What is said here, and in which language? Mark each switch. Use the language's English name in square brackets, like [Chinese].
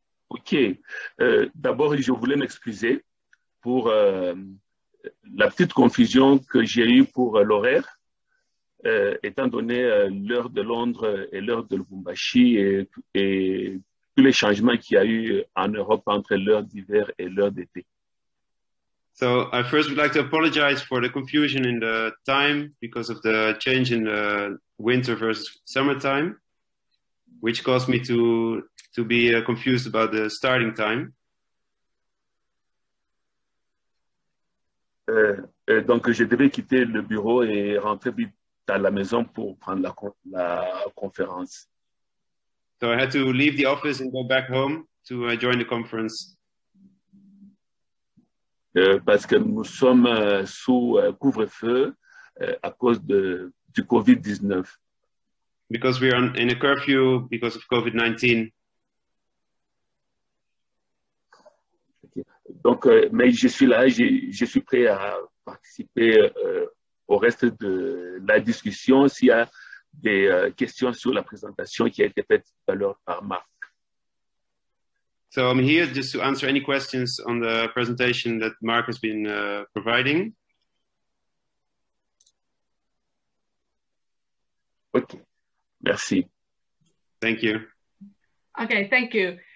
[French] Ok, d'abord je voulais m'excuser pour la petite confusion que j'ai eue pour l'horaire, étant donné l'heure de Londres et l'heure de Lubumbashi et tous les changements qu'il y a eu en Europe entre l'heure d'hiver et l'heure d'été. [English] So I first would like to apologize for the confusion in the time because of the change in the winter versus summertime. which caused me to be confused about the starting time. [French] Donc je devais quitter le bureau et rentrer vite à la maison pour prendre la conférence. [English] So I had to leave the office and go back home to join the conference. [French] Parce que nous sommes sous couvre-feu à cause du COVID-19. [English] Because we are in a curfew because of COVID-19. Okay. [French] Donc, mais je suis là, je suis prêt à participer au reste de la discussion s'il y a des questions sur la présentation qui a été faite tout à l'heure par Marc. [English] So I'm here just to answer any questions on the presentation that Mark has been providing. [French] Okay, merci. [English] Thank you. Okay, thank you.